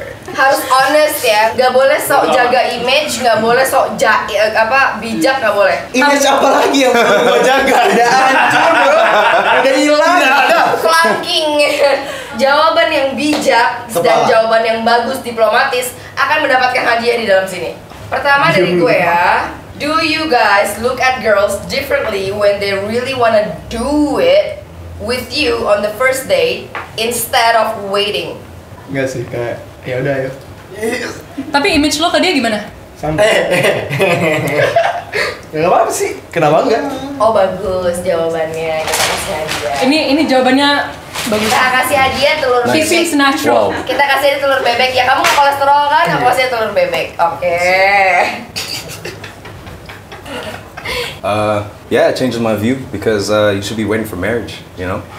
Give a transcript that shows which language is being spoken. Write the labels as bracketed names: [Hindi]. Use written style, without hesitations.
[Indonesian] Harus honest ya, nggak boleh sok jaga image, nggak boleh sok bijak, nggak boleh. Image apa lagi yang perlu gue jaga? Udah hancur bro, udah hilang. Clanking. Jawaban yang bijak dan jawaban yang bagus diplomatis akan mendapatkan hadiah di dalam sini. Pertama dari gue ya, [English] do you guys look at girls differently when they really wanna do it with you on the first date instead of waiting? [Indonesian] Enggak sih, kayak ya udah ya. Tapi image lo ke dia gimana? Santai. Gak apa-apa sih, kenapa enggak? Oh bagus jawabannya, kita kasih hadiah. Ini jawabannya bagus. Kita kasih hadiah telur bebek. [English] Nice. Keeping natural. [Indonesian] Wow. Kita kasih telur bebek, ya kamu gak kolesterol kan? Aku kasih telur bebek, oke. [English] Okay. Yeah, it changes my view because you should be waiting for marriage, you know?